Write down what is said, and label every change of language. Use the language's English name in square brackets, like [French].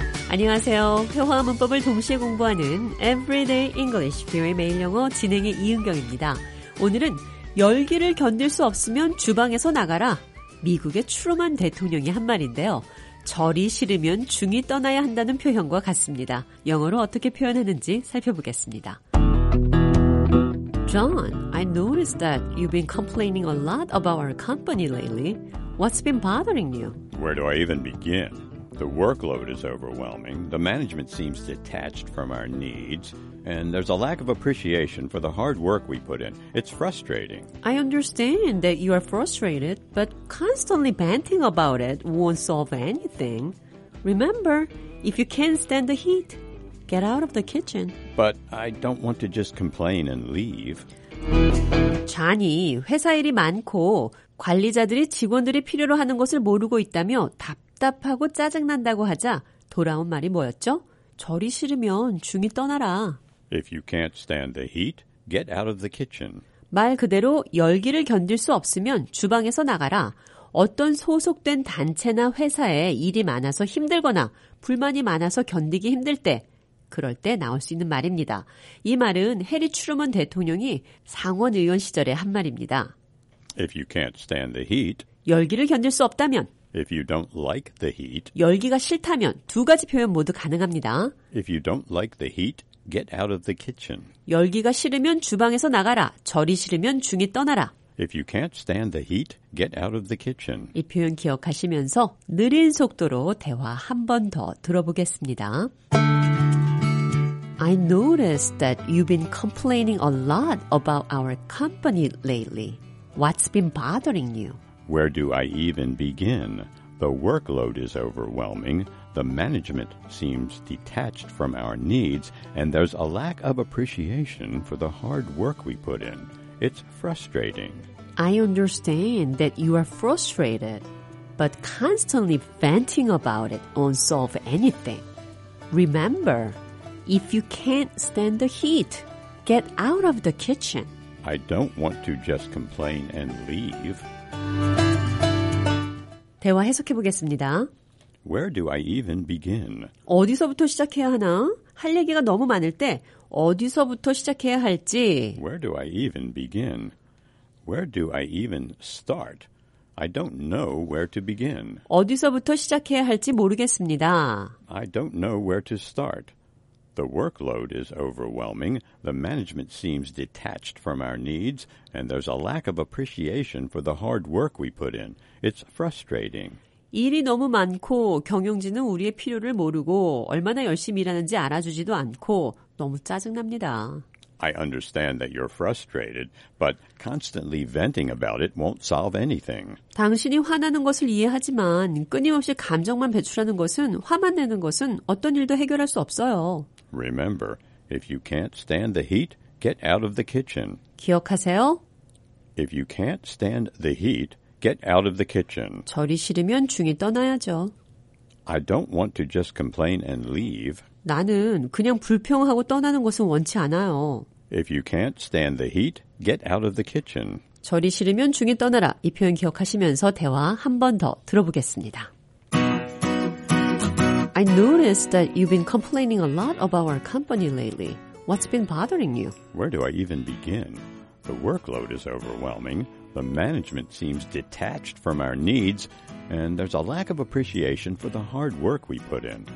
[Korean] 안녕하세요. 회화 문법을 동시에 공부하는 Everyday English, VOA 매일 영어 진행의 이은경입니다. 오늘은 열기를 견딜 수 없으면 주방에서 나가라. 미국의 트루먼 대통령이 한 말인데요. 절이 싫으면 중이 떠나야 한다는 표현과 같습니다. 영어로 어떻게 표현하는지 살펴보겠습니다. [English] John, I noticed that you've been complaining a lot about our company lately. What's been bothering you? Where do I even begin? The workload is overwhelming. The management seems detached from our needs. And there's a lack of appreciation for the hard work we put in. It's frustrating. I understand that you are frustrated, but constantly banting about it won't solve anything. Remember, if you can't stand the heat, get out of the kitchen. But I don't want to just complain and leave. [Korean] 존이 회사 일이 많고 관리자들이 직원들이 필요로 하는 것을 모르고 있다며 답답하고 짜증난다고 하자 돌아온 말이 뭐였죠? 절이 싫으면 중이 떠나라. [English] If you can't stand the heat, get out of the kitchen. [Korean] 말 그대로 열기를 견딜 수 없으면 주방에서 나가라. 어떤 소속된 단체나 회사에 일이 많아서 힘들거나 불만이 많아서 견디기 힘들 때, 그럴 때 나올 수 있는 말입니다. 이 말은 해리 트루먼 대통령이 상원 의원 시절에 한 말입니다. [English] If you can't stand the heat, [Korean] 열기를 견딜 수 없다면, [English] If you don't like the heat, [Korean] 열기가 싫다면 두 가지 표현 모두 가능합니다. [English] If you don't like the heat, Get out of the kitchen. [Korean] 열기가 싫으면 주방에서 나가라. 절이 싫으면 중이 떠나라. [English] If you can't stand the heat, get out of the kitchen. [Korean] 이 표현 기억하시면서 느린 속도로 대화 한 번 더 들어보겠습니다. [English] I noticed that you've been complaining a lot about our company lately. What's been bothering you? Where do I even begin? The workload is overwhelming. The management seems detached from our needs, and there's a lack of appreciation for the hard work we put in. It's frustrating. I understand that you are frustrated, but constantly venting about it won't solve anything. Remember, if you can't stand the heat, get out of the kitchen. I don't want to just complain and leave. [Korean] 대화 해석해 보겠습니다. [English] Where do I even begin? [Korean] 어디서부터 시작해야 하나? 할 얘기가 너무 많을 때 어디서부터 시작해야 할지. [English] Where do I even begin? Where do I even start? I don't know where to begin. [Korean] 어디서부터 시작해야 할지 모르겠습니다. [English] I don't know where to start. The workload is overwhelming. The management seems detached from our needs, and there's a lack of appreciation for the hard work we put in. It's frustrating. [Korean] 일이 너무 많고 경영진은 우리의 필요를 모르고 얼마나 열심히 일하는지 알아주지도 않고 너무 짜증납니다. [English] I understand that you're frustrated, but constantly venting about it won't solve anything. [Korean] 당신이 화나는 것을 이해하지만 끊임없이 감정만 배출하는 것은 화만 내는 것은 어떤 일도 해결할 수 없어요. [English] Remember, if you can't stand the heat, get out of the kitchen. [Korean] 기억하세요. [English] If you can't stand the heat, get out of the kitchen. [Korean] 절이 싫으면 중이 떠나야죠. [English] I don't want to just complain and leave. [Korean] 나는 그냥 불평하고 떠나는 것은 원치 않아요. [English] If you can't stand the heat, get out of the kitchen. [Korean] 절이 싫으면 중이 떠나라. 이 표현 기억하시면서 대화 한 번 더 들어보겠습니다. [English] I noticed that you've been complaining a lot about our company lately. What's been bothering you? Where do I even begin? The workload is overwhelming. The management seems detached from our needs, and there's a lack of appreciation for the hard work we put in.